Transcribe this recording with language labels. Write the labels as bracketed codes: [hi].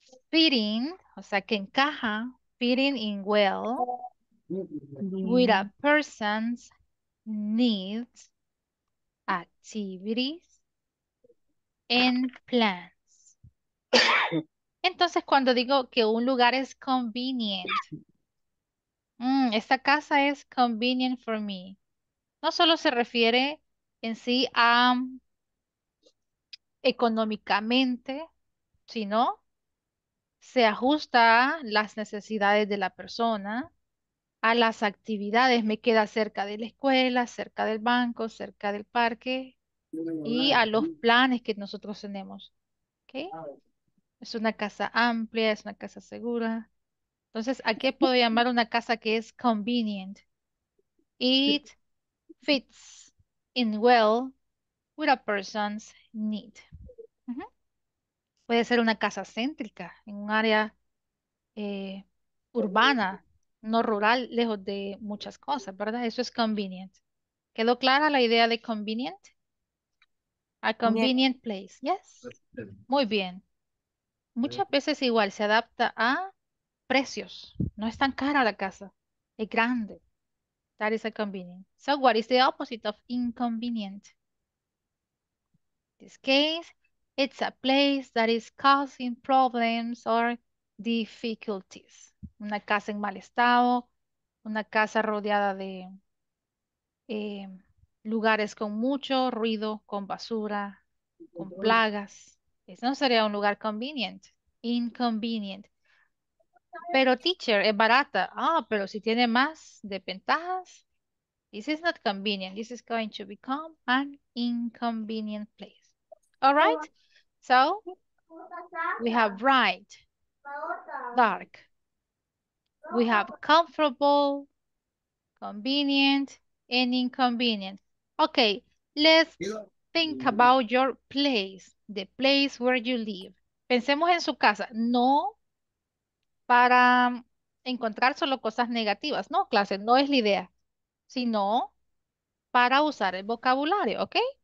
[en] Fitting, [es] o sea que encaja, [en] fitting in well, with a person's needs, activities, and plans. [es] Entonces, cuando digo que un lugar es convenient, esta casa es convenient for me, no solo se refiere en sí a económicamente, sino se ajusta a las necesidades de la persona, a las actividades, me queda cerca de la escuela, cerca del banco, cerca del parque, y a los planes que nosotros tenemos. ¿Okay? Es una casa amplia, es una casa segura. Entonces, ¿a qué puedo llamar una casa que es convenient? [en] It fits in well with a person's need. [es] Puede ser una casa céntrica, en un área urbana, no rural, lejos de muchas cosas, ¿verdad? Eso es convenient. ¿Quedó clara la idea de convenient? [en] A convenient place, yes. [es] Muy bien. Muchas veces igual se adapta a precios. No es tan cara la casa, es grande. [en] That is a convenient. So what is the opposite of inconvenient? This case, it's a place that is causing problems or difficulties. [es] Una casa en mal estado, una casa rodeada de lugares con mucho ruido, con basura, con plagas. Eso no sería un lugar convenient. Inconvenient. Pero teacher, es barata. Ah, pero si tiene más desventajas. [en] This is not convenient. This is going to become an inconvenient place. All right? So, we have bright, dark. We have comfortable, convenient, and inconvenient. Okay, let's think about your place, the place where you live. [es] Pensemos en su casa, no para encontrar solo cosas negativas, no, clase, no es la idea, sino para usar el vocabulario, ¿ok?